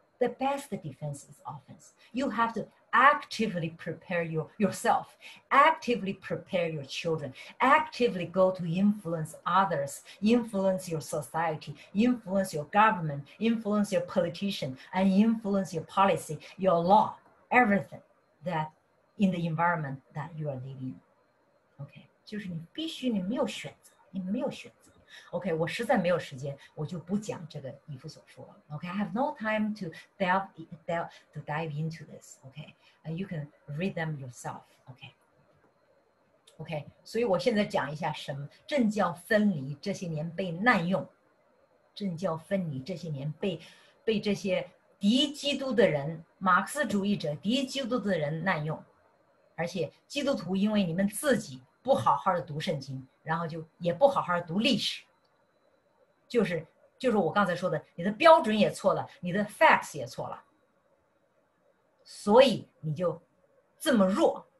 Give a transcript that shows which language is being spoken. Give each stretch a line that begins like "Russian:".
English: The best defense is offense. You have to actively prepare yourself, actively prepare your children, actively go to influence others, influence your society, influence your government, influence your politician, and influence your policy, your law, everything that. In the environment that you are living in.
Chinese: Okay, 就是你必须你没有选择，你没有选择。 Okay, 我实在没有时间，我就不讲这个以弗所书了。
English: Okay, I have no time to dive into this. Okay, and you can read them yourself. Okay.
Chinese: Okay, 所以我现在讲一下什么政教分离这些年被滥用，政教分离这些年被这些敌基督的人、马克思主义者、敌基督的人滥用。而且基督徒因为你们自己不好好的读圣经，然后就也不好好读历史，就是我刚才说的，你的标准也错了，你的 facts 也错了，所以你就这么弱。